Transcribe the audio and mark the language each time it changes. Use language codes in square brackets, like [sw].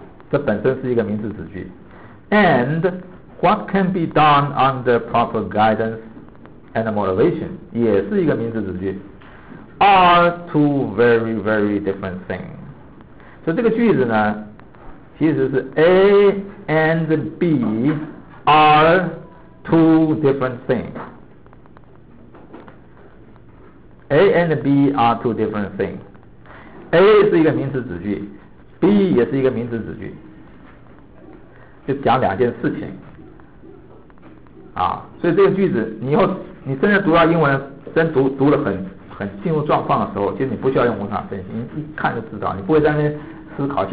[zh] 这本身是一个名词子句。 [en] And what can be done under proper guidance and motivation? [zh] 也是一个名词子句。 [en] Are two very very different things。 [zh] 所以这个句子呢其实是 [en] A and B are two different things， A and B are two different things。 [zh] A 是一个名词子句， B 也是一个名词子句，就讲两件事情啊。所以这个句子你以后你真的读到英文真读得很进入状况的时候，其实你不需要用文法分析，你一看就知道，你不会在那边思考。